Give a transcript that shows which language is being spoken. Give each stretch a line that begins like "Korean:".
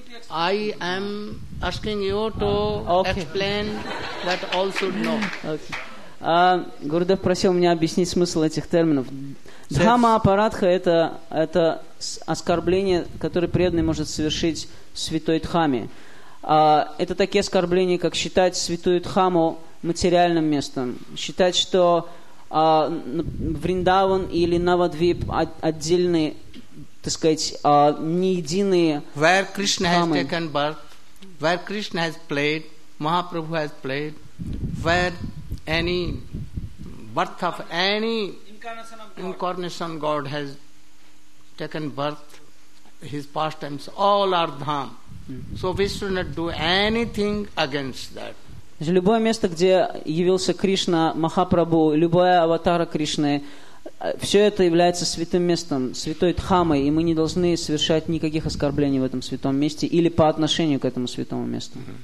English: I am asking you to explain that all should know. Okay.
Russian: Гурудев просил меня объяснить смысл этих терминов. Dhamma aparatха это оскорбление, которое преданный может совершить в святой дхаме. Это такие оскорбления, как считать святую Дхаму материальным местом, считать, что Вриндаван или Навадвип отдельные, так сказать, не единые.
English: Where Krishna Dhamы. Has taken birth, where Krishna has played, Mahaprabhu has played, where any birth of any incarnation God has taken birth, his pastimes, all are Dham. So we should not do anything against that.
Russian: Любое место, где явился Кришна, Махапрабху, любая аватара Кришны, все это является святым местом, святой дхамой, и мы не должны совершать никаких оскорблений в этом святом месте или по отношению к этому святому месту.